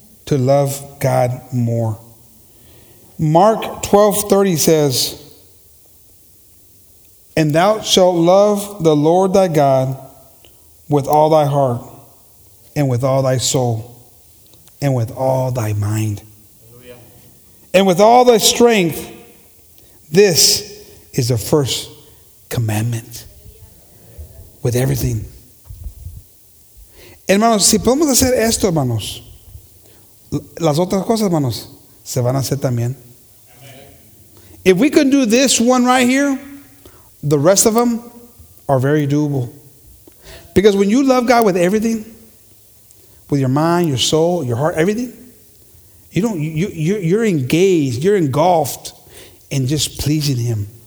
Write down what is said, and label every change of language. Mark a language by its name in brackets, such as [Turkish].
[English] to love God more. Mark 12:30 says, "And thou shalt love the Lord thy God with all thy heart, and with all thy soul, and with all thy mind." Hallelujah. "And with all thy strength, this is the first commandment." With everything. [Spanish] Hermanos, si podemos hacer esto, hermanos, las otras cosas, hermanos, se van a hacer también. [English] Amen. If we can do this one right here, the rest of them are very doable. Because when you love God with everything, with your mind, your soul, your heart, everything, you're engaged, you're engulfed in just pleasing Him.